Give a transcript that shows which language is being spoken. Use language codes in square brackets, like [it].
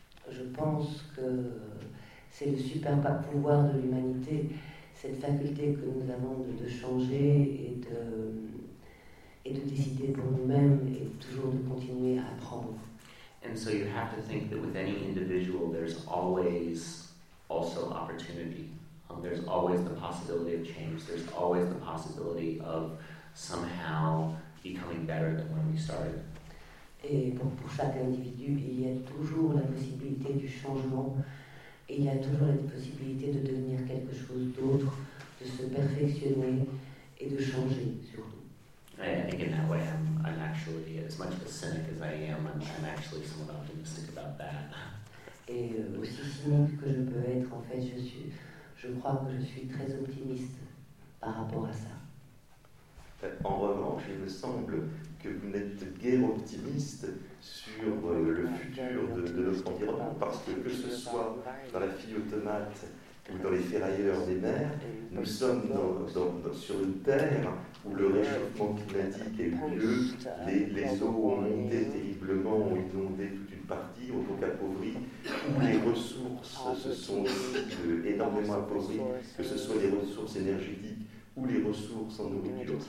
[fr] Je pense que c'est le super pouvoir de l'humanité, cette faculté que nous avons de changer et de décider pour nous-mêmes et toujours de continuer à apprendre. [en] And so you have to think that with any individual, there's always also opportunity. There's always the possibility of change. There's always the possibility of somehow becoming better than when we started. [fr] Et pour chaque individu, il y a toujours la possibilité du changement, et il y a toujours la possibilité de devenir quelque chose d'autre, de se perfectionner et de changer surtout. [en] I think in that way, I'm actually, as much of a cynic as I am, I'm actually somewhat optimistic about that. [fr] Et aussi cynique que je peux être, en fait, je crois que je suis très optimiste par rapport à ça. En revanche, il me semble que vous n'êtes guère optimiste sur le futur de notre environnement, parce que ce soit dans la fille automate ou dans les ferrailleurs des mers, nous sommes sur une terre où le réchauffement climatique a eu lieu, les eaux ont monté terriblement, ont inondé toute une partie, ont donc appauvri, où les ressources se sont énormément appauvries, que ce soit les ressources énergétiques, ou les ressources en nourriture.